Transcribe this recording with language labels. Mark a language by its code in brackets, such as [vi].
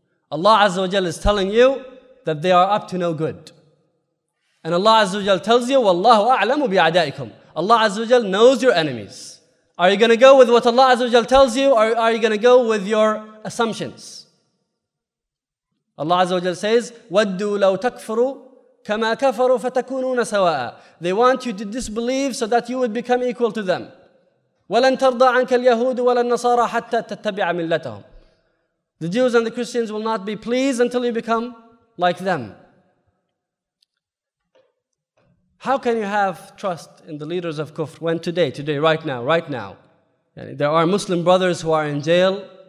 [en] Allah Azza wa Jalla is telling you that they are up to no good. And Allah Azza wa Jalla tells you, [ar] وَاللَّهُ أَعْلَمُ بِأَعْدَائِكُمْ. [en] Allah Azza wa Jalla knows your enemies. Are you going to go with what Allah Azza wa Jalla tells you, or are you going to go with your assumptions? Allah Azza wa Jalla says, [ar] وَدُّوا لَوْ تَكْفَرُوا كَمَا كَفَرُوا فَتَكُونُونَ سَوَاءً. [en] They want you to disbelieve so that you would become equal to them. [ar] وَلَنْ تَرْضَى عَنْكَ الْيَهُودُ وَلَا النَّصَارَى حَتَّى تَتَّبِعَ مِلَّتَهُمْ. [en] The Jews and the Christians will not be pleased until you become like them. How can you have trust in the leaders of Kufr when today, right now, there are Muslim brothers who are in jail?